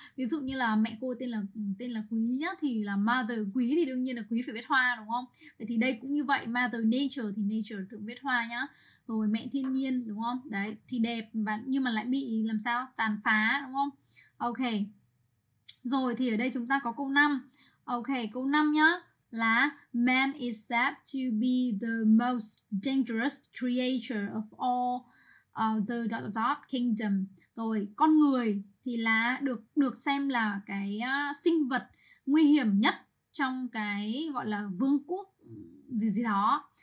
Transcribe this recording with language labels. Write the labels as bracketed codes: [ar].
[vi] Ví dụ như là mẹ cô tên là Quý nhá, thì là mother Quý, thì đương nhiên là Quý phải viết hoa đúng không? Vậy thì đây cũng như vậy, mother nature thì nature thường viết hoa nhá. Rồi mẹ thiên nhiên đúng không? Đấy, thì đẹp và nhưng mà lại bị làm sao? Tàn phá đúng không? Ok. Rồi thì ở đây chúng ta có câu 5. Ok, câu 5 nhá. [en] Là man is said to be the most dangerous creature of all the dot dot dot kingdom. [vi] Rồi con người thì là được xem là cái sinh vật nguy hiểm nhất trong cái gọi là vương quốc gì gì đó.